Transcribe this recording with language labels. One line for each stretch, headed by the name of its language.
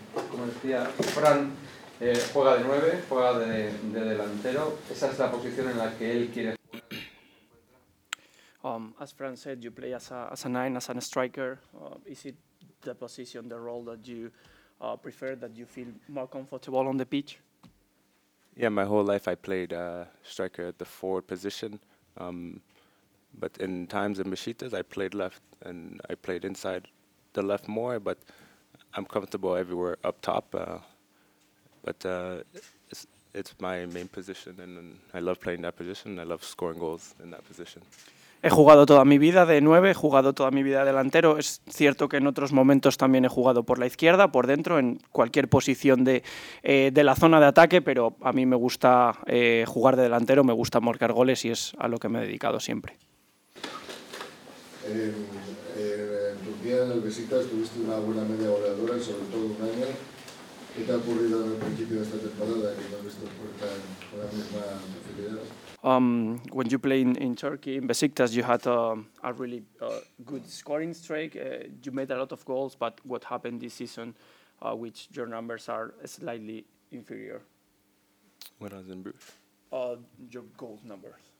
Spanish: Como decía Fran, juega de 9, juega de delantero. Esa es la posición en la que él quiere.
English: As Fran said, you play as a 9, as a striker. Is it the position, the role that you prefer, that you feel more comfortable on the pitch? Yeah, my whole life I played striker at the forward position. But in times in Besiktas, I played left, and I played inside the left more, but I'm comfortable everywhere up top. It's my main position, and I love playing that position. I love scoring goals in that position.
Spanish: He jugado toda mi vida de 9, he jugado toda mi vida delantero. Es cierto que en otros momentos también he jugado por la izquierda, por dentro, en cualquier posición de la zona de ataque, pero a mí me gusta jugar de delantero, me gusta marcar goles y es a lo que me he dedicado siempre. En tu día en el Besiktas tuviste una buena media goleadora, sobre todo un año. ¿Qué te ha ocurrido al principio de esta temporada que no has visto por la misma facilidad?
English: When you play in Turkey, in Besiktas, you had a really good scoring streak. You made a lot of goals, but what happened this season, which your numbers are slightly inferior? When I was in Bruce? Your goal numbers.